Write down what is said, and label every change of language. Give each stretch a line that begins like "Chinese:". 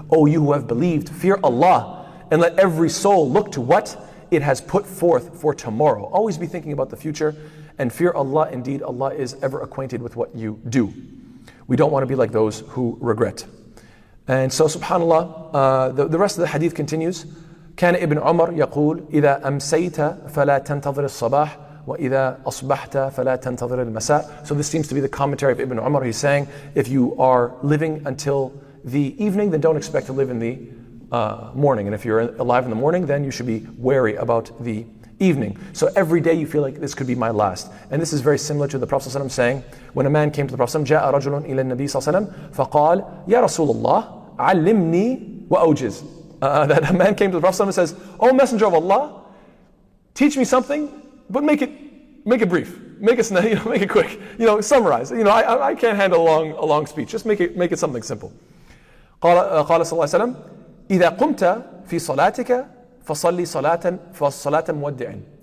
English: O you who have believed, fear Allah. And let every soul look to what it has put forth for tomorrow. Always be thinking about the future and fear Allah. Indeed, Allah is ever acquainted with what you do. We don't want to be like those who regret. And so, subhanAllah, the rest of the hadith continues.
Arabic: كان ابن عمر يقول إذا أمسيت فلا تنتظر الصباح وإذا أصبحت فلا تنتظر المساء.
English: So this seems to be the commentary of Ibn Umar. He's saying, if you are living until the evening, then don't expect to live in the morning. And if you're alive in the morning, then you should be wary about the evening. So every day you feel like this could be my last. And this is very similar to the Prophet ﷺ saying, when a man came to the Prophet ﷺ,
Arabic: جاء رجل إلى النبي صلى الله عليه وسلم فقال يا رسول الله علمني وأوجز.
English: That a man came to the Prophet ﷺ and says, oh Messenger of Allah, teach me something, but make it brief. Make it quick. You know, summarize. You know, I can't handle a long speech. Just make it something simple.
Arabic: قال صلى الله عليه وسلم إذا قمت في صلاتك فصلي صلاة موديعا.